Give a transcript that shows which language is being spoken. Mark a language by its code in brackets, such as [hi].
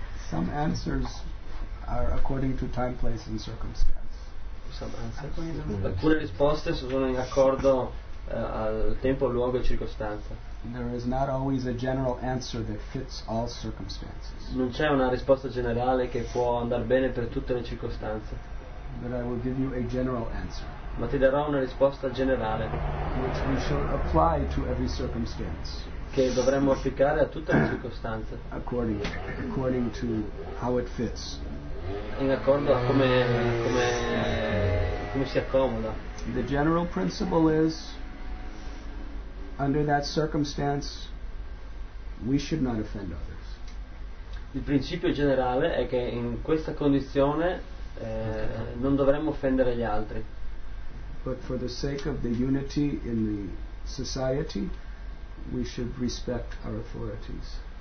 [en] Some answers are according to time, place and circumstance. [it] Alcune risposte sono in accordo al tempo, luogo e circostanza. [en] There is not always a general answer that fits all circumstances. [it] Non c'è una risposta generale che può andare bene per tutte le circostanze. [en] But I will give you a general answer. [it] Ma ti darò una risposta generale. [en] Which we should apply to every circumstance. [it] Che dovremmo applicare a tutte le circostanze. [en] According to how it fits. [it] In accordo a come si accomoda. [en] The general principle is, under that circumstance, we should not offend others. [it] Il principio generale è che in questa condizione non dovremmo offendere gli altri. [en] But for the sake of the unity in the society, we should respect our authorities.